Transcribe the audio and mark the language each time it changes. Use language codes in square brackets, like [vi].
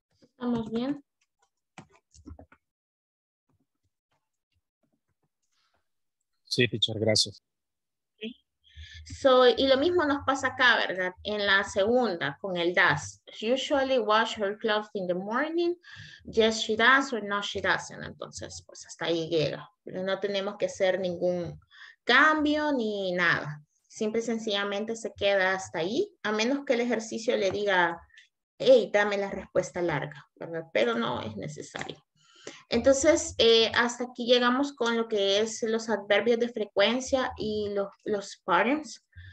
[es] ¿Estamos bien? Sí, teacher, gracias. So, y lo mismo nos pasa acá, ¿verdad? En la segunda, con el does. [en] She usually wash her clothes in the morning. Yes, she does or no, she doesn't. [es] Entonces, pues hasta ahí llega. Pero no tenemos que hacer ningún cambio ni nada. Simple y sencillamente se queda hasta ahí, a menos que el ejercicio le diga, hey, dame la respuesta larga, ¿verdad? Pero no es necesario. Entonces, hasta aquí llegamos con lo que es los adverbios de frecuencia y los patterns.